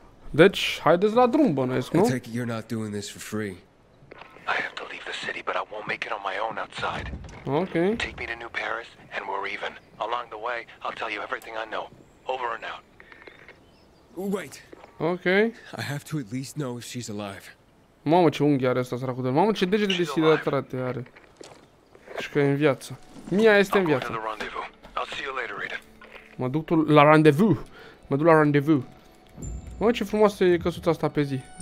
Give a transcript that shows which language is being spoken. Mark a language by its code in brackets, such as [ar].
[ro] Deci, haideți la drum, bănuiesc, nu? [en] I take it you're not doing this for free. I have to leave the city, but I won't make it on my own outside. Okay. Take me to New Paris, and we're even. Along the way, I'll tell you everything I know. Over and out. Wait. Okay. I have to at least know if she's alive. [ro] Mamă, ce unghi are ăsta, săracul de... Mamă, ce degete deshidratate are. Și că e în viață. Mia este în viață. [en] I'll see you later, Aiden. [ro] Mă duc tu la rendezvous. Mă duc la rendezvous. Mă, ce frumoasă e căsuța asta pe zi.